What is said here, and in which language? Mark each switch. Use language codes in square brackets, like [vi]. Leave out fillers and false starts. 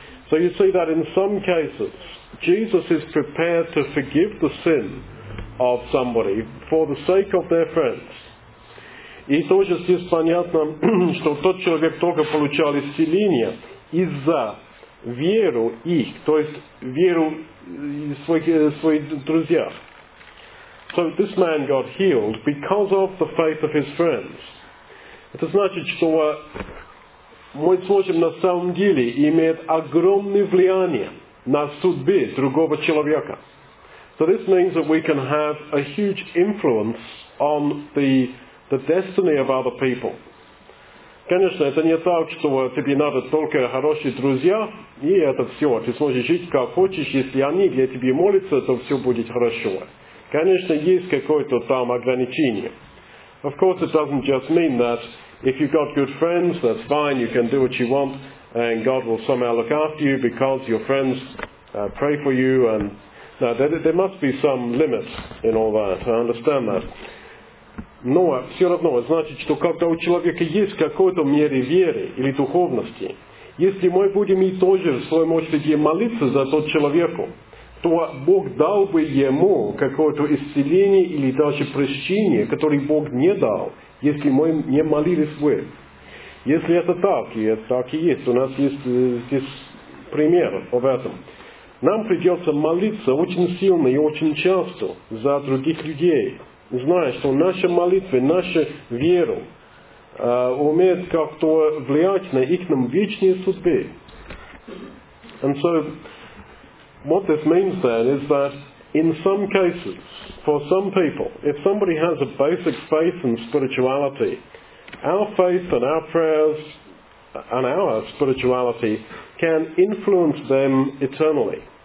[en] So you see that in some cases, Jesus is prepared to forgive the sin of somebody for the sake of their friends. [ru] И тоже здесь понятно, что тот человек только получал исцеление из-за веру их, то есть веру своих друзей. [en] So this man got healed because of the faith of his friends. [ru] Это значит, что мой случай на самом деле имеет огромное влияние на судьбу другого человека. [en] So this means that we can have a huge influence on the destiny of other people. [ru] Конечно, это не так, что тебе надо только хорошие друзья, и это все. Ты сможешь жить как хочешь, если они для тебя молятся, то все будет хорошо. Конечно, есть какое-то там ограничение. [en] Of course, it doesn't just mean that if you've got good friends, that's fine, you can do what you want, and God will somehow look after you because your friends pray for you. And now, there must be some limit in all that. I understand that. [ru] Но все равно, значит, что когда у человека есть какой-то мере веры или духовности, если мы будем и тоже в своем очереди молиться за тот человеку, то Бог дал бы ему какое-то исцеление или даже прощение, которое Бог не дал, если мы не молились бы. Если это так, и это так и есть, у нас есть здесь пример об этом. Нам придется молиться очень сильно и очень часто за других людей, зная, что наши молитвы, наша вера умеет как-то влиять на их вечные судьбы. [en] And so, what this means then is that in some cases, for some people, if somebody has a basic faith and spirituality, our faith and our prayers and our spirituality can influence them eternally.